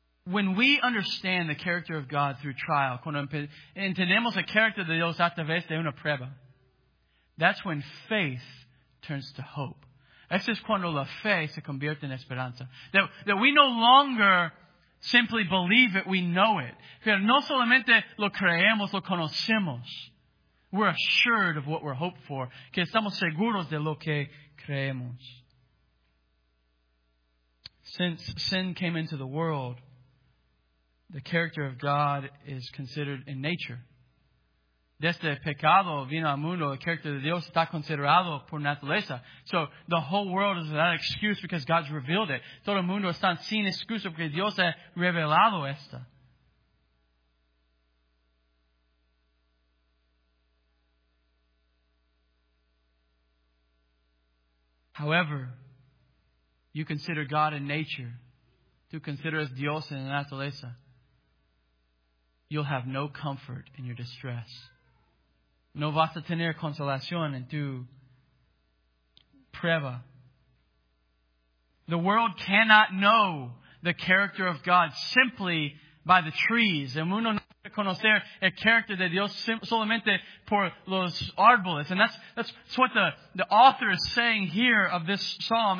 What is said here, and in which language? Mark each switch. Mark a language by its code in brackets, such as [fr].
[en] When we understand the character of God through trial, [es] cuando entendemos el carácter de Dios a través de una prueba, [en] that's when faith turns to hope. [es] Eso es cuando la fe se convierte en esperanza. [en] That we no longer simply believe it, we know it. [es] Pero no solamente lo creemos, lo conocemos. [en] We're assured of what we're hoped for. [es] Que estamos seguros de lo que creemos. [en] Since sin came into the world, the character of God is considered in nature. [es] Desde el pecado vino al mundo, el carácter de Dios está considerado por naturaleza. [en] So the whole world is without excuse because God's revealed it. [es] Todo el mundo está sin excusa porque Dios ha revelado esta. [en] However, you consider God in nature, [es] tú consideras Dios en la naturaleza, [en] you'll have no comfort in your distress. [es] No vas a tener consolación en tu prueba. [en] The world cannot know the character of God simply by the trees. [es] El mundo no puede conocer el carácter de Dios solamente por los árboles. [en] And that's what the author is saying here of this psalm.